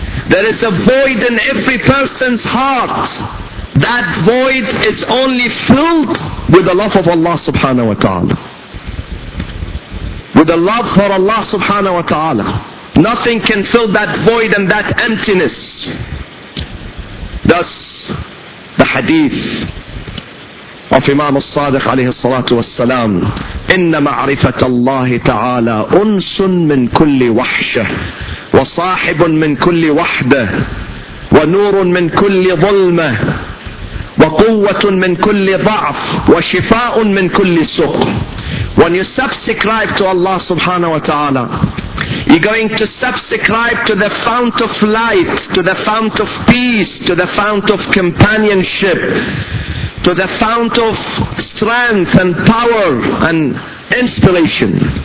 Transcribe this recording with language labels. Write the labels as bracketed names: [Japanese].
[English] There is a void in every person's heart. That void is only filled with the love of Allah subhanahu wa ta'ala. With the love for Allah subhanahu wa ta'ala. Nothing can fill that void and that emptiness. Thus, the hadith of Imam al-Sadiq alayhi salatu wassalam, [Arabic] إن معرفة الله تعالى أنس من كل وحشة وصاحب من كل وحدة ونور من كل ظلمة وقوة من كل ضعف وشفاء من كل سوء. [English] When you subscribe to Allah subhanahu wa ta'ala, you're going to subscribe to the fount of light, to the fount of peace, to the fount of companionship, to the fount of strength and power and inspiration.